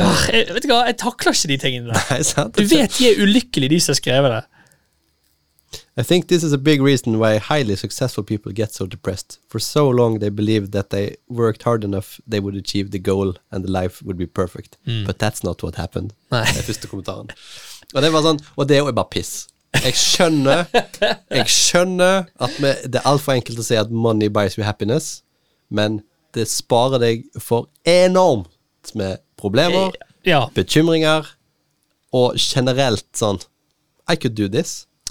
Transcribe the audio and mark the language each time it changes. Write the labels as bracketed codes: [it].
[no] Vet du hva, jeg takler ikke de tingene der. Nei, sant. Du vet, de er ulykkelig, de som skriver det. [en] I think this is a big reason why highly successful people get so depressed. For so long they believed that they worked hard enough, they would achieve the goal and the life would be perfect. Mm. But that's not what happened. [no] Nei. Det er første kommentaren. Og det var sånn, og det er bare piss. Jeg skjønner at med, det er alt for enkelt å si at [en] money buys you happiness, [no] men det sparer deg for enormt med problemer, ja. Bekymringer og generelt sånn, [en] I could do this.